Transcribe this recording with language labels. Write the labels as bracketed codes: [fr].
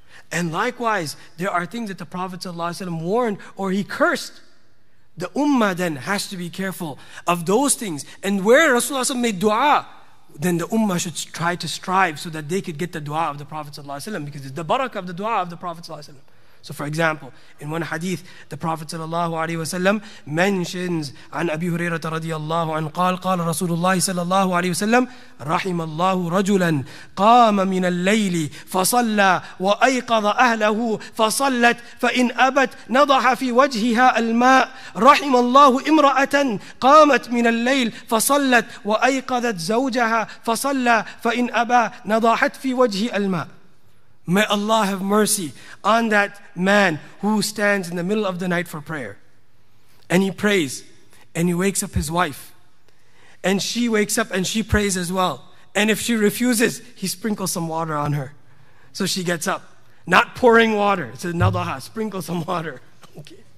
[en] And likewise, there are things that the Prophet ﷺ warned or he cursed. The ummah then has to be careful of those things. And where Rasulullah ﷺ made dua, then the ummah should try to strive so that they could get the dua of the Prophet ﷺ, because it's the barakah of the dua of the Prophet ﷺ. So for example, in one hadith, the Prophet ﷺ mentions [ar] عن أبي هريرة رضي الله عنه قال قال رسول الله صلى الله عليه وسلم رحم الله رجلا قام من الليل فصلى وأيقظ أهله فصلت فإن أبت نضح في وجهها الماء رحم الله امرأة قامت من الليل فصلت وأيقظت زوجها فصلى فإن أبى نضحت في وجه الماء. [en] May Allah have mercy on that man who stands in the middle of the night for prayer, and he prays, and he wakes up his wife, and she wakes up and she prays as well. And if she refuses, he sprinkles some water on her. So she gets up. Not pouring water. It says, nadaha, sprinkle some water. Okay.